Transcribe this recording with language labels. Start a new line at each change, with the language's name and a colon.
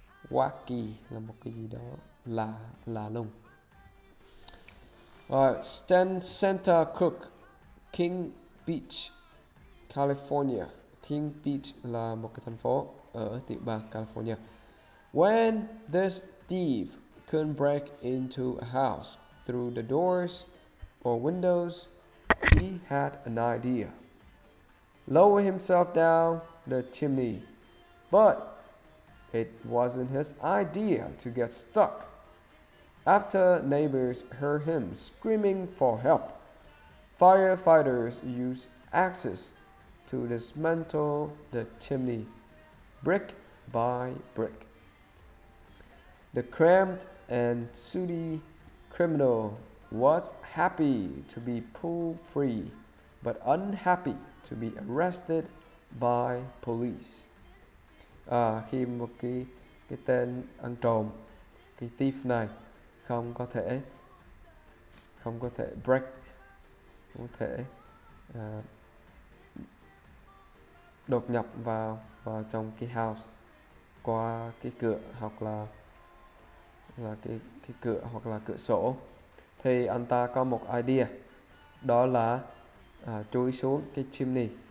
Vietnamese: Wacky là một cái gì đó lạ lùng. Alright, Stan Santa Crook, King Beach, California. King Beach là một cái thành phố ở tiểu bang California.
English: When this thief couldn't break into a house through the doors or windows, he had an idea. Lower himself down the chimney. But It wasn't his idea to get stuck. After neighbors heard him screaming for help, firefighters used axes to dismantle the chimney, brick by brick. The cramped and sooty criminal was happy to be pulled free, but unhappy to be arrested by police.
Vietnamese: À, khi một cái tên ăn trộm, cái thief này không có thể break, không thể đột nhập vào trong cái house qua cái cửa hoặc là cái cửa hoặc là cửa sổ, thì anh ta có một idea, đó là chui xuống cái chimney.